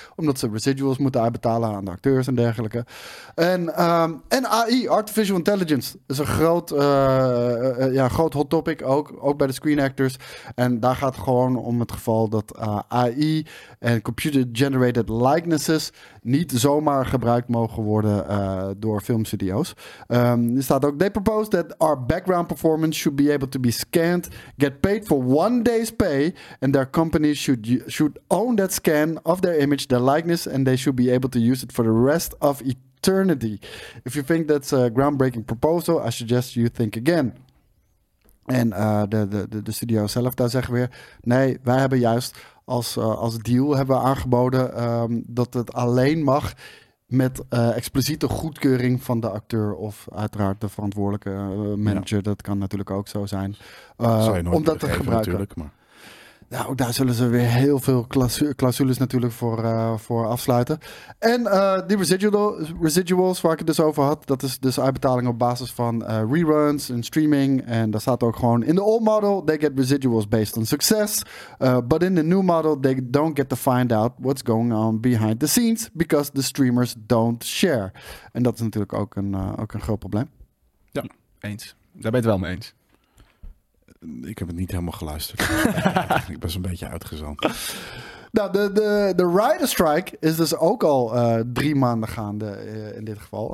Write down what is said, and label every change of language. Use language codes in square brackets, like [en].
[nl] Omdat ze residuals moeten uitbetalen aan de acteurs en dergelijke. En AI, Artificial Intelligence, is een groot hot topic ook bij de Screen Actors. En daar gaat het gewoon om het geval dat AI en computer-generated likenesses niet zomaar gebruikt mogen worden door filmstudio's. Er staat ook, [en] they propose that our background performance should be able to be scanned, get paid for one day's pay, and their company should own that scan of their image, their likeness, and they should be able to use it for the rest of eternity. If you think that's a groundbreaking proposal, I suggest you think again. [nl] En de studio zelf daar zeggen weer, nee, wij hebben juist als deal hebben we aangeboden dat het alleen mag met expliciete goedkeuring van de acteur of uiteraard de verantwoordelijke manager. Ja. Dat kan natuurlijk ook zo zijn. Om dat te gebruiken. Natuurlijk, maar... Nou, daar zullen ze weer heel veel clausules natuurlijk voor afsluiten. En die residuals waar ik het dus over had, dat is dus uitbetaling op basis van reruns en streaming. En daar staat ook gewoon, [en] in the old model, they get residuals based on success. But in the new model, they don't get to find out what's going on behind the scenes, because the streamers don't share. [nl] En dat is natuurlijk ook een groot probleem. Ja, eens. Daar ben je het wel mee eens. Ik heb het niet helemaal geluisterd. Ik ben zo'n beetje uitgezand. Nou, de Rider Strike is dus ook al 3 maanden gaande in dit geval.